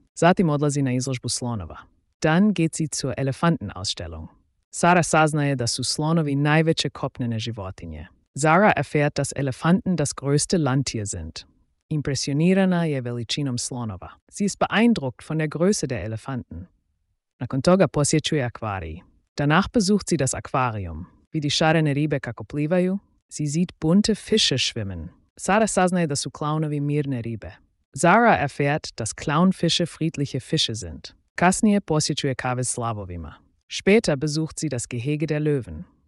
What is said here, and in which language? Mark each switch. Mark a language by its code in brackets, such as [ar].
[hr] Zatim odlazi na izložbu slonova. [de] Dann geht sie zur Elefantenausstellung. [hr] Sara saznaje da su slonovi najveće kopnene životinje. [de] Sara erfährt, dass Elefanten das größte Landtier sind. [hr] Impressionirana je veličinom slonova. [de] Sie ist beeindruckt von der Größe der Elefanten. [hr] Nakon toga posjećuje akvarij. [de] Danach besucht sie das Aquarium. Wie die [hr] šarene ribe kako plivaju? [de] Sie sieht bunte Fische schwimmen. [hr] Sara saznaje da su klaunovi mirne ribe. [de] Sara erfährt, dass Clownfische friedliche Fische sind. [hr] Kasnije posjećuje kave s lavovima. [de] Später besucht sie das Gehege der Löwen.